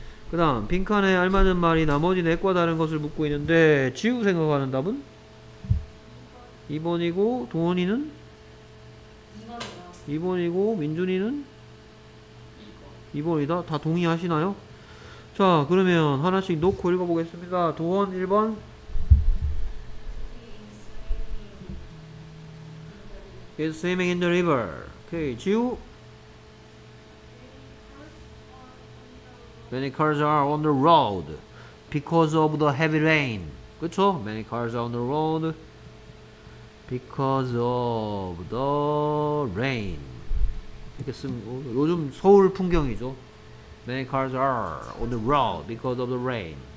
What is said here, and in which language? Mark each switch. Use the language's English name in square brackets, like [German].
[Korean] 그 다음 빈칸에 알맞은 말이 나머지 넷과 다른 것을 묻고 있는데 지우 생각하는 답은? 2번이고 동원이는? 2번이고 민준이는? 2번이다? 다 동의하시나요? 자 그러면 하나씩 놓고 읽어보겠습니다. [English] 도원 1번 He is swimming in the river. [Korean] 오케이. [English] 지우 Many cars are on the road because of the heavy rain. [Korean] 그쵸? [English] Many cars are on the road because of the rain. [Korean] 이렇게 쓰면 요즘 서울 풍경이죠. [English] Many cars are on the road because of the rain.